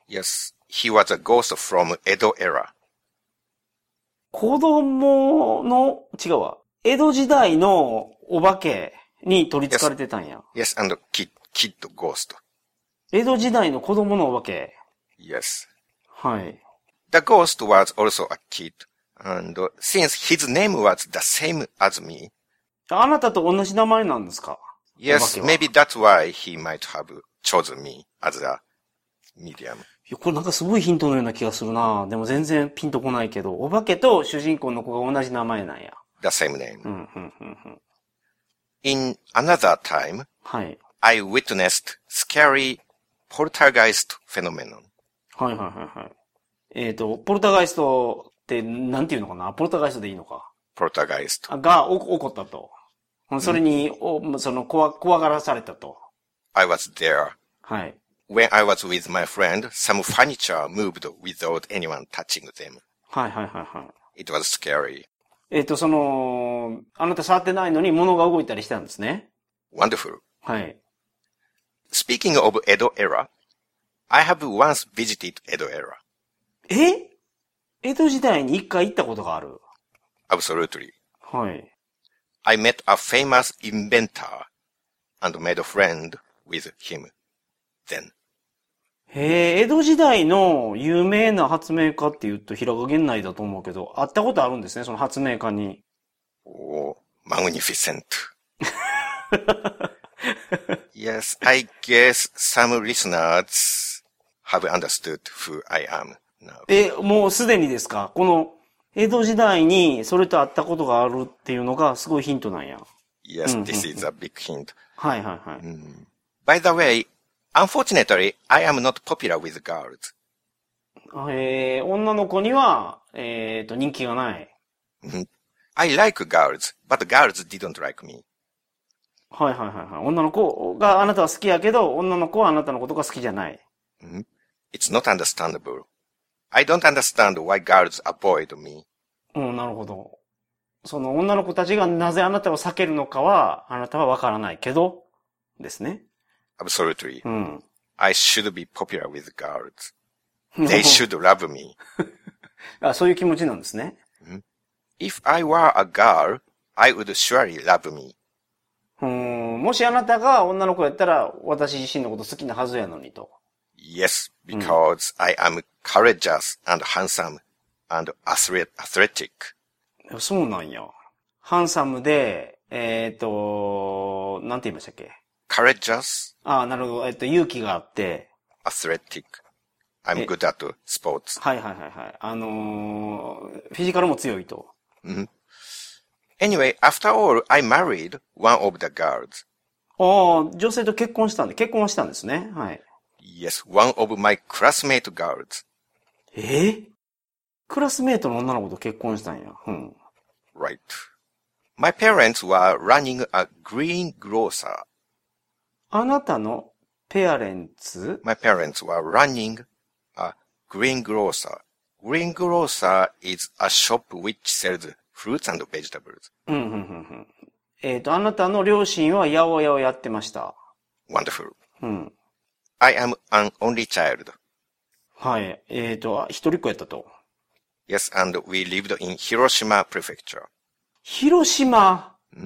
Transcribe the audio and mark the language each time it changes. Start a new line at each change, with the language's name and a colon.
English: Yes, he was a ghost from Edo era.
Japanese: 子供の、違うわ。江戸時代のお化けに取り憑かれてたんや。
English: Yes, yes and kid ghost.
Japanese: 江戸時代の子供のお化け。
English: Yes.
Japanese: はい。
English: The ghost was also a kid, and since his name was the same as me.
Japanese: あなたと同じ名前なんですか
English: ?Yes, maybe that's why he might have chosen me as a medium.
Japanese: いや、これなんかすごいヒントのような気がするな。でも全然ピンとこないけど、お化けと主人公の子が同じ名前なんや。
English: The same name. Mm-hmm. In another time,、
Japanese: はい、
English: I witnessed scary poltergeist phenomenon.
Japanese: はいはいはいはい。ポルターガイストってなんていうのかな？ポルターガイストでいいのか？ポルターガイスト。が起こったと。それに、mm-hmm. その怖がらされたと。
English: I was there.
Japanese: はい。
English: When I was with my friend, some furniture moved without anyone touching them.
Japanese: はいはいはいはい。
English: It was scary.
Japanese: その、あなた触ってないのに物が動いたりしたんですね。
English: Wonderful.
Japanese: はい。
English: Speaking of Edo era, I have once visited Edo era.
Japanese: え？江戸時代に一回行ったことがある。
English: Absolutely.
Japanese: はい。
English: I met a famous inventor and made a friend with him then.
Japanese: へえ、江戸時代の有名な発明家って言うと平賀源内だと思うけど、会ったことあるんですね、その発明家に。
English: おー、マグニフィセント。 Yes, I guess some listeners have understood who I am now.
Japanese: え、もうすでにですか？この江戸時代にそれと会ったことがあるっていうのがすごいヒントなんや。
English: Yes, this is a big hint.
Japanese: はいはいはい。
English: By the way,Unfortunately, I am not popular with girls.
Japanese: 女の子には、人気がない。
English: I like girls, but girls didn't like me.
Japanese: はいはいはいはい。女の子があなたは好きやけど、女の子はあなたのことが好きじゃない。
English: It's not understandable. I don't understand why girls avoid me.
Japanese: うん、なるほど。その女の子たちがなぜあなたを避けるのかは、あなたはわからないけど、ですね。
English: Absolutely.、
Japanese: うん、
English: I should be popular with girls. They should love me.
Japanese: あ、そういう気持ちなんですね。
English: If I were a girl, I would surely love me.
Japanese: もしあなたが女の子やったら私自身のこと好きなはずやのにと。
English: Yes, because、うん、I am courageous and handsome and athletic.
Japanese: そうなんや。ハンサムで、なんて言いましたっけ？
English: Courageous.
Japanese: ああ、なるほど。勇気があって。
English: Athletic. I'm good at sports.
Japanese: はいはいはいはい。フィジカルも強いと。
English: Anyway, after all, I married one of the girls.
Japanese: ああ、女性と結婚したんで、結婚はしたんですね。はい。
English: Yes, one of my classmate girls.
Japanese: クラスメートの女の子と結婚したんや。うん。
English: Right. My parents were running a green grocer.
Japanese: あなたのペアレンツ
English: My parents were running a green grocer. Green grocer is a shop which sells fruits and vegetables.
Japanese: うんうんうんうん。あなたの両親は八百屋をやってました。
English: Wonderful.
Japanese: うん。
English: I am an only child.
Japanese: はい。一人っ子やったと。
English: Yes, and we lived in Hiroshima Prefecture.
Japanese: 広島。